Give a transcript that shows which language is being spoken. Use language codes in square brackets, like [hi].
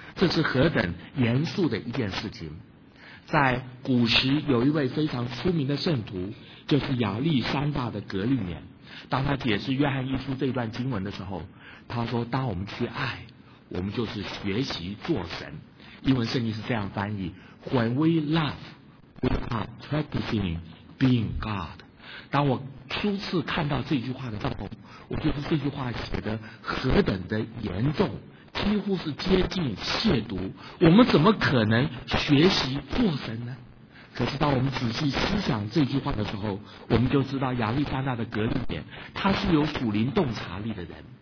[zh] 这是何等严肃的一件事情。在古时有一位非常出名的圣徒，就是亚历山大的格律年。当他解释约翰一书这段经文的时候，他说当我们去爱，我们就是学习做神。英文圣经是这样翻译， [en] When we love we are practicing being God。 [zh] 当我初次看到这句话的时候，我觉得这句话写得何等的严重，几乎是接近亵渎。我们怎么可能学习做神呢？可是当我们仔细思想这句话的时候，我们就知道亚历山大的格律年他是有属灵洞察力的人。